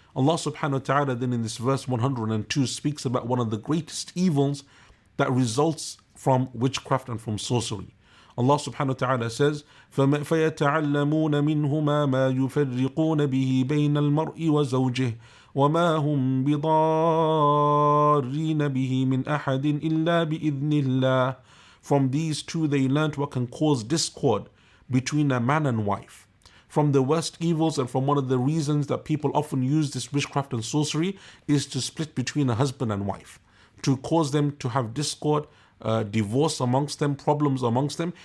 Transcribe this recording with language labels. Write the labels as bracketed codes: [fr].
[en] Allah subhanahu wa ta'ala then in this verse 102 speaks about one of the greatest evils that results from witchcraft and from sorcery. Allah subhanahu wa ta'ala says, [ar] فَيَتَعَلَّمُونَ مِنْهُمَا مَا يُفَرِّقُونَ بِهِ بَيْنَ الْمَرْءِ وَزَوْجِهِ وَمَا هُمْ بِضَارِّينَ بِهِ مِنْ أَحَدٍ إِلَّا بِإِذْنِ اللَّهِ. [en] From these two, they learned what can cause discord between a man and wife. From the worst evils and from one of the reasons that people often use this witchcraft and sorcery is to split between a husband and wife, to cause them to have discord, divorce amongst them, problems amongst them.